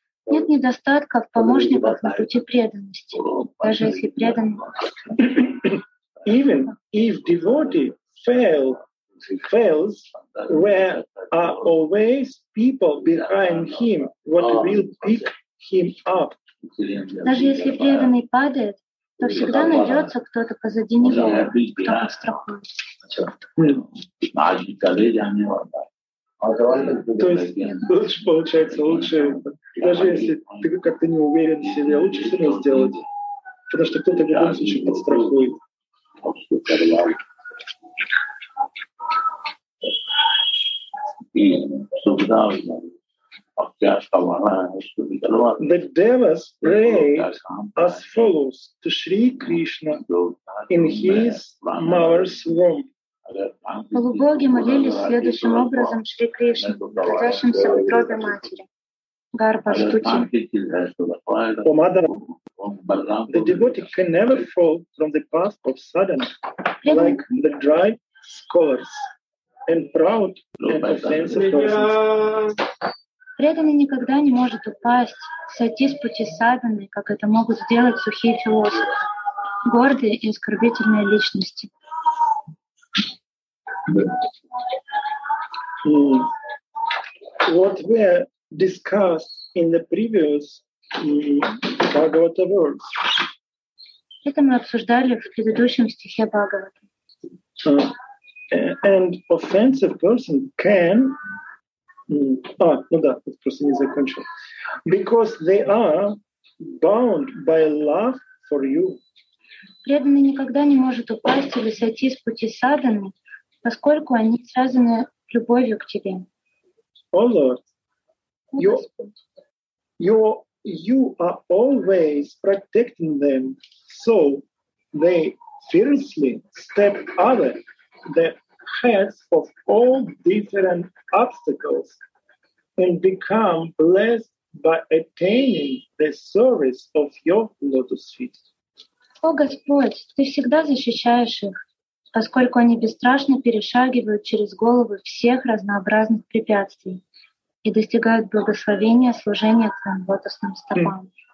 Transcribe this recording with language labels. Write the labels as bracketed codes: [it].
[ru] Нет недостатка в помощниках на пути преданности, даже если преданный. [en] Even if devotee fails, there are always people behind him what will pick him up. [ru] Даже если преданный падает, то всегда найдется кто-то позади него, кто подстрахует. То есть лучше получается, лучше, даже если ты как-то не уверен в себе, лучше все равно сделать. Потому что кто-то в любом случае подстрахует. [en] The devas pray as follows to Sri Krishna in his mother's womb. [ru] Полубоги молились следующим образом Шри Кришне, находящимся в утробе матери. Гарпа Штути. О, мадам, [en] the devotee can never fall from the path of sadhana, like the dry scholars and proud and offensive persons. [ru] Преданный никогда не может упасть, сойти с пути садханы, как это могут сделать сухие философы, гордые и оскорбительные личности. [en] What we discussed in the previous Bhagavata verse. [ru] Это мы обсуждали в предыдущем стихе Бхагавата. [en] And offensive person can this person is a control. Because they are bound by love for you. [ru] Преданный никогда не может упасть или сойти с пути садханы, поскольку они связаны любовью к тебе. [en] Oh Lord, you are always protecting them, so they fiercely step over the heads of all different obstacles and become blessed by attaining the service of your lotus feet. [ru] О Господь, ты всегда защищаешь их, поскольку они бесстрашно перешагивают через головы всех разнообразных препятствий и достигают благословения служения твоим лотосным стопам.